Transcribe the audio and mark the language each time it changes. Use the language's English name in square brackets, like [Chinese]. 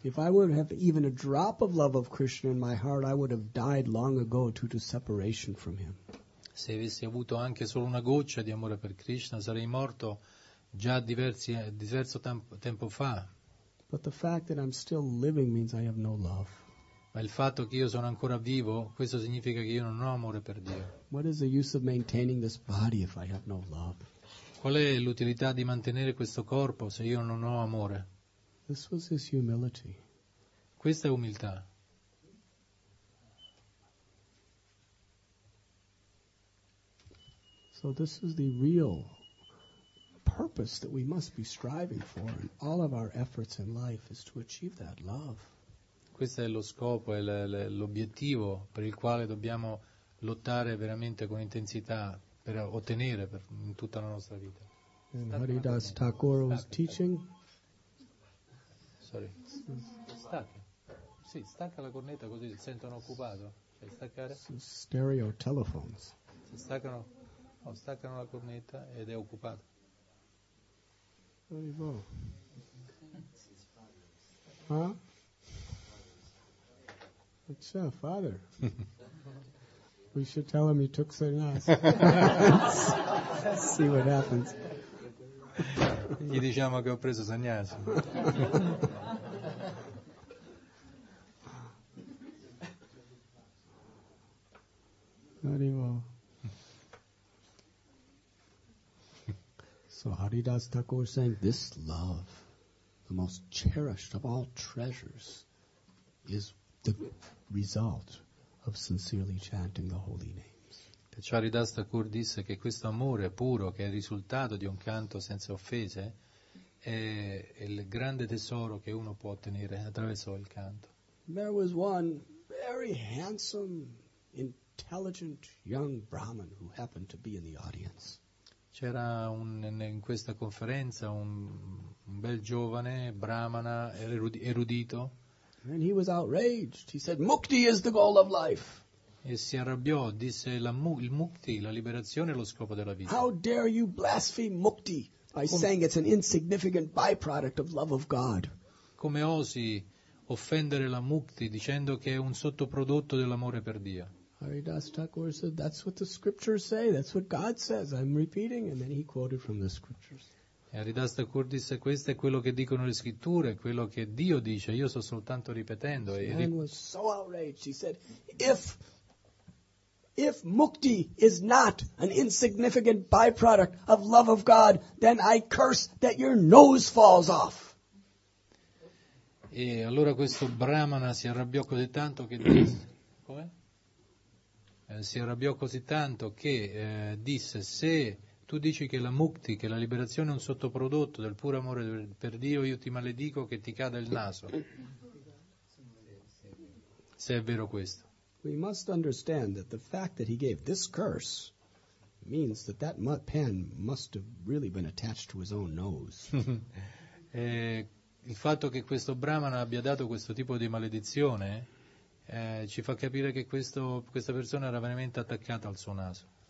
[English] If I would have even a drop of love of Krishna in my heart, I would have died long ago due to separation from him. [Italian] Se avessi avuto anche solo una goccia di amore per Krishna, sarei morto già diverso tempo fa. [English] But the fact that I'm still living means I have no love. [Italian] Ma il fatto che io sono ancora vivo, questo significa che io non ho amore per Dio. [English] What is the use of maintaining this body if I have no love? [Italian] Qual è l'utilità di mantenere questo corpo se io non ho amore? [English] This was his humility. [Italian] Questa è umiltà. [English] So this is the real purpose that we must be striving for in all of our efforts in life, is to achieve that love. [Italian] Questo è lo scopo e l'obiettivo per il quale dobbiamo lottare veramente con intensità per ottenere in tutta la nostra vita. [English] Haridas Thakur was teaching. Sorry. [Italian] Stacca. Sì, stacca la cornetta così si sentono occupato. Cioè staccare. [English] Stereo telephones. [Italian] Si staccano. Oh, staccano la cornetta ed è occupato. [English] Very well. Huh? It's a father. We should tell him he took sannyas. See what happens. [Italian] Gli diciamo che ho preso sannyas. Arrivo. [English] So Haridas Thakur saying, "This love, the most cherished of all treasures, is the result of sincerely chanting the holy names." [Italian] Haridas Thakur disse che questo amore puro, che è il risultato di un canto senza offese, è il grande tesoro che uno può ottenere attraverso il canto. [English] There was one very handsome, intelligent young Brahmin who happened to be in the audience. [Italian] C'era in questa conferenza un bel giovane brahmana erudito. [English] And he was outraged. He said, "Mukti is the goal of life." [Italian] E si arrabbiò, disse il mukti, la liberazione è lo scopo della vita. [English] How dare you blaspheme mukti by saying it's an insignificant byproduct of love of God? [Italian] Come osi offendere la mukti dicendo che è un sottoprodotto dell'amore per Dio? [English] Haridas Thakur said, "That's what the scriptures say. That's what God says. I'm repeating," and then he quoted from the scriptures. [Italian] Haridas Thakur disse, "Questo è quello che dicono le scritture, quello che Dio dice, io sto soltanto ripetendo." [English] The man was so outraged. He said, if mukti is not an insignificant byproduct of love of God, then I curse that your nose falls off." [Italian] E allora questo brahmana si arrabbiò così tanto che disse, come? Si arrabbiò così tanto che disse, "Se tu dici che la mukti, che la liberazione è un sottoprodotto del puro amore per Dio, io ti maledico che ti cada il naso." Se è vero questo. [English] We must understand that the fact that he gave this curse means that that pen must have really been attached to his own nose. [Italian] Il fatto che questo brahmana abbia dato questo tipo di maledizione ci fa capire che questa persona era veramente attaccata al suo naso.